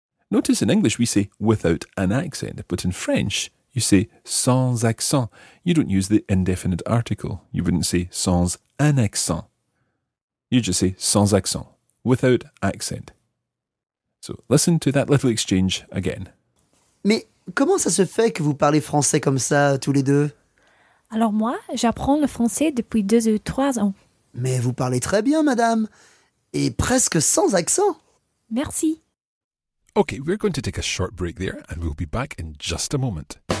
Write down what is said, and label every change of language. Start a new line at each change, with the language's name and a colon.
English: Notice in English we say without an accent, but in French you say
French: sans accent.
English: You don't use the indefinite article. You wouldn't say
French: sans un accent.
English: You just say
French: sans accent,
English: without accent. So listen to that little exchange again.
French: Mais Comment ça se fait que vous parlez français comme ça, tous les deux? Alors moi, j'apprends le français depuis 2 ou 3 ans. Mais vous parlez très bien, madame. Et presque sans accent. Merci.
English: Okay, we're going to take a short break there and we'll be back in just a moment.